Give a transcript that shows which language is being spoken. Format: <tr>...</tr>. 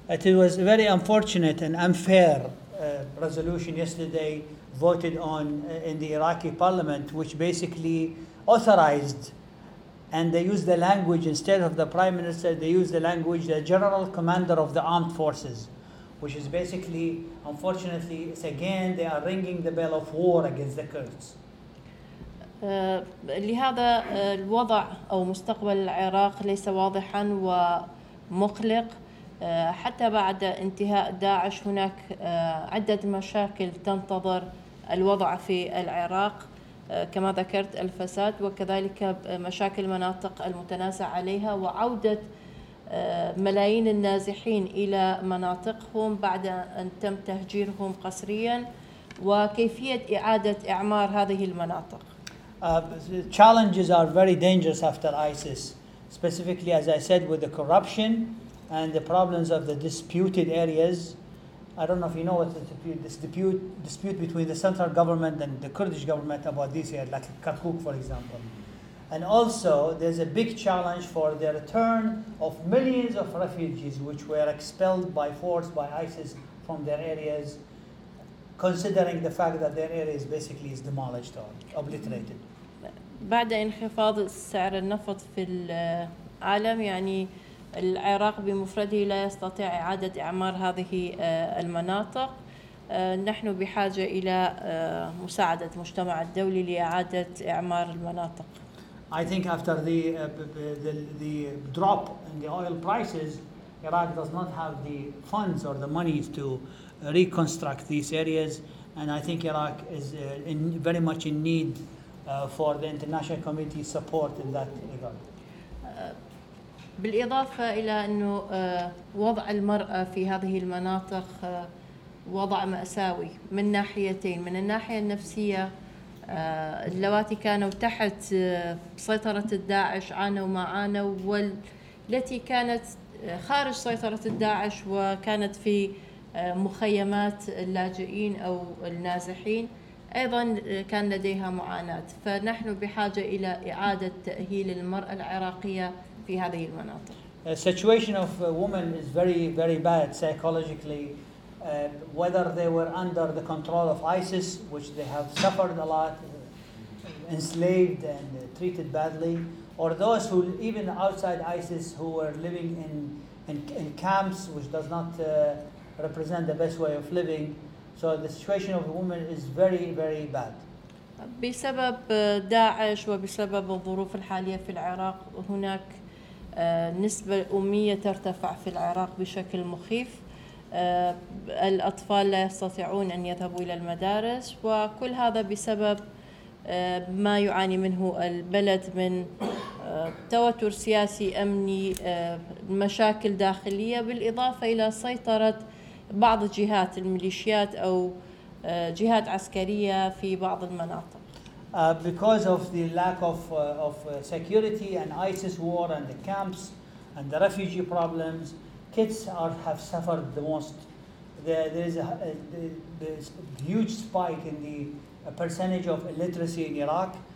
<en>It was a very unfortunate and unfair resolution yesterday voted on in the Iraqi parliament, which basically authorized, and they used the language instead of the prime minister, they used the language the general commander of the armed forces, which is basically, unfortunately, it's again they are ringing the bell of war against the Kurds.</en> <ar>لهذا الوضع أو مستقبل العراق ليس واضحاً ومقلق. حتى بعد انتهاء داعش هناك عدة مشاكل تنتظر الوضع في العراق، كما ذكرت الفساد وكذلك مشاكل مناطق المتنازع عليها وعودة ملايين النازحين إلى مناطقهم بعد أن تم تهجيرهم قسريا وكيفية إعادة إعمار هذه المناطق.</ar> <en>Challenges are very dangerous after ISIS, specifically as I said with the corruption and the problems of the disputed areas. I don't know if you know what this dispute between the central government and the Kurdish government about these areas, like Kirkuk, for example. And also, there's a big challenge for the return of millions of refugees which were expelled by force by ISIS from their areas, considering the fact that their areas basically is demolished or obliterated.</en> <ar>بعد انخفاض سعر النفط في العالم يعني العراق بمفرده لا يستطيع إعادة إعمار هذه المناطق. نحن بحاجة إلى مساعدة المجتمع الدولي لإعادة إعمار المناطق.</ar> <en>I think after the drop in the oil prices, Iraq does not have the funds or the money to reconstruct these areas, and I think Iraq is in very much in need for the international community's support in that regard.</en> <ar>بالإضافة إلى أنه وضع المرأة في هذه المناطق وضع مأساوي من ناحيتين، من الناحية النفسية اللواتي كانوا تحت سيطرة الداعش عانوا ما عانوا، والتي كانت خارج سيطرة الداعش وكانت في مخيمات اللاجئين أو النازحين أيضا كان لديها معاناة، فنحن بحاجة إلى إعادة تأهيل المرأة العراقية في هذه المناطق.</ar> <en>The situation of women is very, very bad psychologically. Whether they were under the control of ISIS, which they have suffered a lot, enslaved and treated badly, or those who even outside ISIS who were living in camps, which does not represent the best way of living. So the situation of women is very, very bad.</en> <ar>بسبب داعش وبسبب الظروف الحالية في العراق هناك نسبة أمية ترتفع في العراق بشكل مخيف. الأطفال لا يستطيعون أن يذهبوا إلى المدارس وكل هذا بسبب ما يعاني منه البلد من توتر سياسي أمني مشاكل داخلية بالإضافة إلى سيطرة بعض جهات الميليشيات أو جهات عسكرية في بعض المناطق.</ar> <en>Because of the lack of security and ISIS war and the camps and the refugee problems, kids have suffered the most. There is a huge spike in the percentage of illiteracy in Iraq.</en>